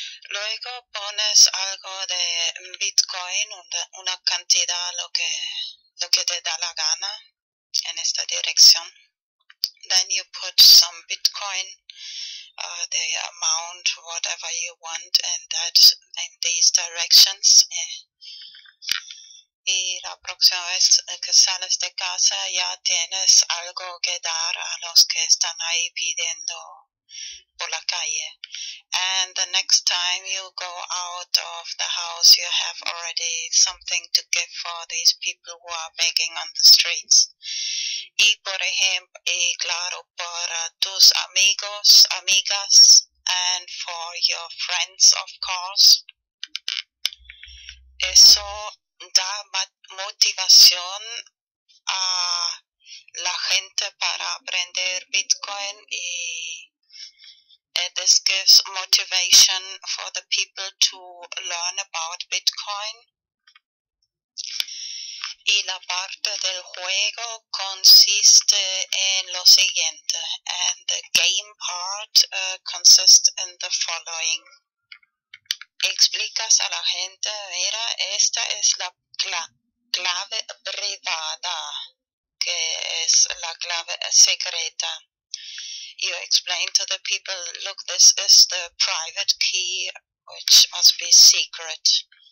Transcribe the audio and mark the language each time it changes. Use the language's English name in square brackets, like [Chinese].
[Spanish] Luego pones algo de Bitcoin, una cantidad, lo que te da la gana en esta dirección. [English] Then you put some Bitcoin, the amount, whatever you want, and that in these directions. [Spanish] Y la próxima vez que sales de casa ya tienes algo que dar a los que están ahí pidiendo por la calle. [English] And the next time you go out of the house, you have already something to give for these people who are begging on the streets. [Spanish] Y por ejemplo, y claro, para tus amigos, amigas, [English] and for your friends, of course. [Spanish] Eso da motivación a la gente para aprender Bitcoin y [English] this gives motivation for the people to learn about Bitcoin. [Spanish] Y la parte del juego consiste en lo siguiente. [English] And the game part consists in the following. [Spanish] Explicas a la gente, mira, esta es la clave privada, que es la clave secreta. [English] You explain to the people, look, this is the private key, which must be secret.